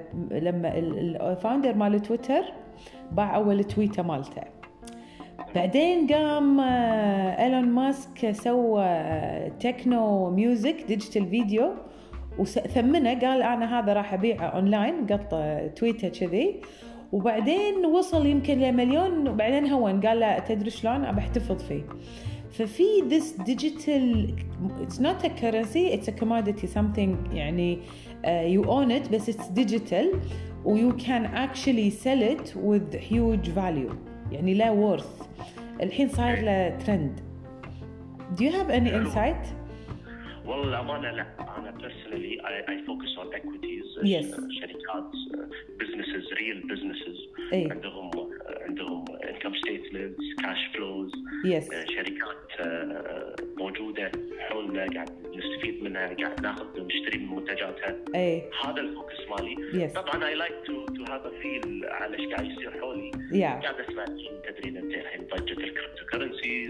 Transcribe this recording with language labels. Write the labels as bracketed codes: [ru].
[ar] لما الفاوندر مال تويتر باع اول تويته مالته بعدين قام ايلون ماسك سوى تكنو ميوزك ديجيتال فيديو وثمنه قال انا هذا راح ابيعه اونلاين قط تويته كذي وبعدين وصل يمكن لمليون وبعدين هون قال لا تدري شلون ابي احتفظ فيه. [en] ففي this digital it's not a currency it's a commodity something يعني you own it بس it's digital and you can actually sell it with huge value يعني لا worth [ar] الحين صار له [en] trend. Do you have any insight? [ar] والله الأمانة لا أنا [en] personally I focus on equities. Yes. [ar] شركات [en] businesses real businesses. [ar] أي. عندهم [en] income statements cash flows. Yes. [ar] شركات موجودة حولنا قاعد نستفيد منها قاعد ناخذ ونشتري من منتجاتها. أي. هذا الفوكس مالي. [en] Yes. [ar] طبعا [en] I like to have a feel [ar] على ايش قاعد يصير حولي. [en] Yeah. [ar] قاعد اسمع تدرين انت الحين ضجة الكريبتو كرنسيز